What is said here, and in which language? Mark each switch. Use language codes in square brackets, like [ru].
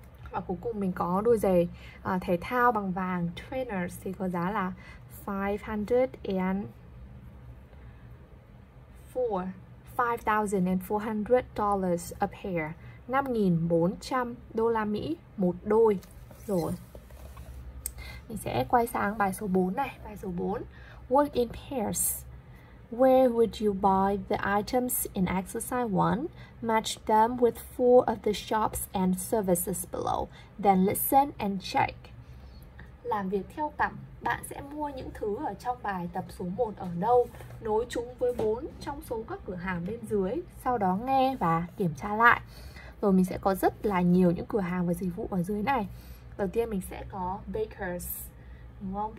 [vi] Và cuối cùng mình có đôi giày thể thao bằng vàng trainers thì có giá là [en] 5,400 dollars a pair, [vi] 5,400 đô la Mỹ một đôi. Rồi mình sẽ quay sang bài số 4 này. Bài số 4, [en] work in pairs. Where would you buy the items in exercise 1? Match them with 4 of the shops and services below. Then listen and check. [vi] Làm việc theo cặp, bạn sẽ mua những thứ ở trong bài tập số 1 ở đâu? Nối chúng với 4 trong số các cửa hàng bên dưới. Sau đó nghe và kiểm tra lại. Rồi mình sẽ có rất là nhiều những cửa hàng và dịch vụ ở dưới này. Đầu tiên mình sẽ có bakers, đúng không?